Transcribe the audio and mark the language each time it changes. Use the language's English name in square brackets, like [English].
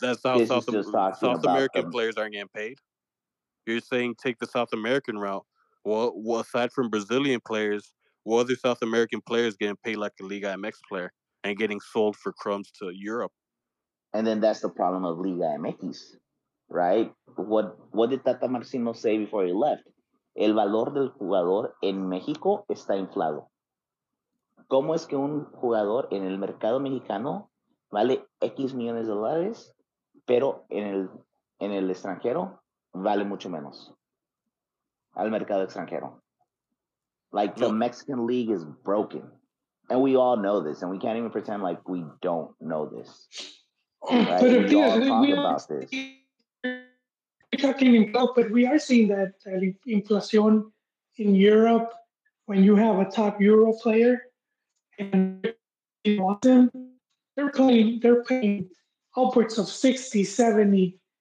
[English] South American players aren't getting paid. You're saying take the South American route. Well, aside from Brazilian players, what other South American players getting paid like a Liga MX player and getting sold for crumbs to Europe? And then that's the problem of Liga MX, right? What did Tata Martino say before he left? [Spanish] El valor del jugador en México está inflado. ¿Cómo es que un jugador en el mercado mexicano vale X millones de dólares, pero en el extranjero vale mucho menos al mercado extranjero? [English] Like, the Mexican league is broken. And we all know this, and we can't even pretend like we don't know this. Right? But we're talking about, but we are seeing that inflation in Europe. When you have a top Euro player and you want them, they're paying upwards of 60, 70,